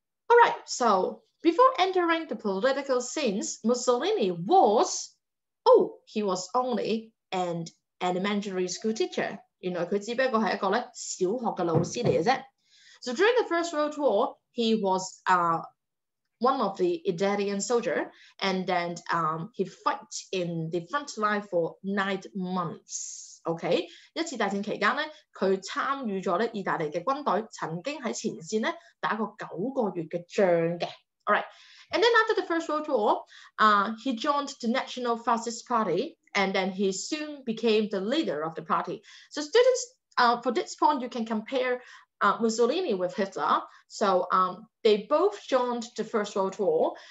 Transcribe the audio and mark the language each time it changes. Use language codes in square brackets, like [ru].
[en] All right, so before entering the political scenes, Mussolini was, he was only an elementary school teacher. [yue] 原來佢只不過係一個小學嘅老師嚟嘅啫。 [en] So during the First World War, he was one of the Italian soldiers, and then he fought in the front line for 9 months. [yue] Okay, 一次大戰期間咧，佢參與咗咧意大利嘅軍隊，曾經喺前線咧打過9個月嘅仗嘅。 [en] All right, and then after the First World War, he joined the National Fascist Party, and then he soon became the leader of the party. So students, for this point, you can compare Mussolini with Hitler. So they both joined the First World War.